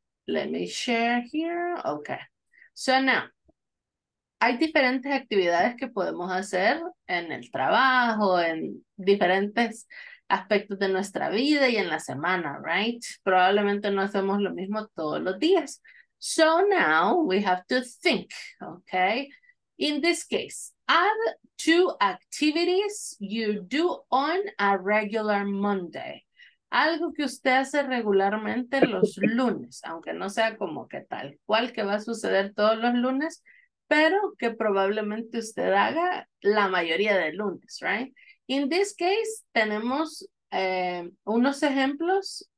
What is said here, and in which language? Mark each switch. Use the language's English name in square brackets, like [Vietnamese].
[English] Let me share here. Okay, so now, [Spanish] hay diferentes actividades que podemos hacer en el trabajo, en diferentes aspectos de nuestra vida y en la semana, right? Probablemente no hacemos lo mismo todos los días. [English] So now we have to think, okay? In this case, add 2 activities you do on a regular Monday. [Spanish] Algo que usted hace regularmente los lunes, aunque no sea como que tal cual que va a suceder todos los lunes, pero que probablemente usted haga la mayoría de lunes, right? [English] In this case, [Spanish] tenemos unos ejemplos.